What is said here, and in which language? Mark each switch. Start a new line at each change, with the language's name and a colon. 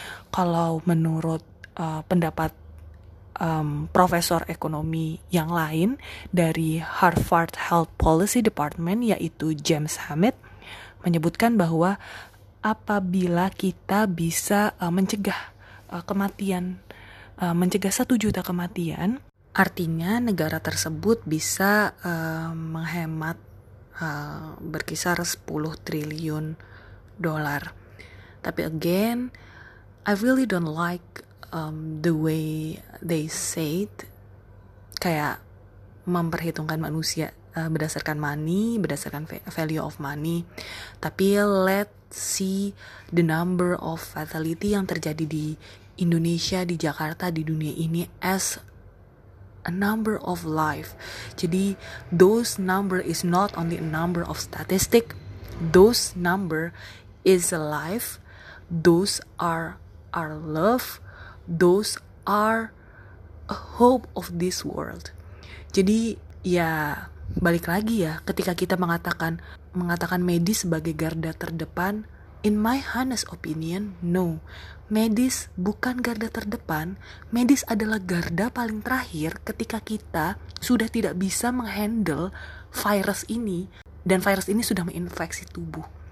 Indonesian: Kalau menurut pendapat profesor ekonomi yang lain dari Harvard Health Policy Department, yaitu James Hammett, menyebutkan bahwa apabila kita bisa mencegah kematian, mencegah 1 juta kematian, artinya negara tersebut bisa menghemat berkisar 10 triliun dolar.
English: Tapi again, I really don't like the way they said,
Indonesian: kayak memperhitungkan manusia berdasarkan money, berdasarkan
English: value of money. Tapi let's see the number of fatality
Indonesian: yang terjadi di Indonesia, di Jakarta, di dunia ini
English: as a number of life. Jadi those number is not only a number of statistic, those number is a life, those are our love, those are a hope of this world.
Indonesian: Jadi ya balik lagi ya, ketika kita mengatakan medis sebagai garda terdepan,
English: in my honest opinion, no.
Indonesian: Medis bukan garda terdepan, medis adalah garda paling terakhir ketika kita sudah tidak bisa menghandle virus ini dan virus ini sudah menginfeksi tubuh.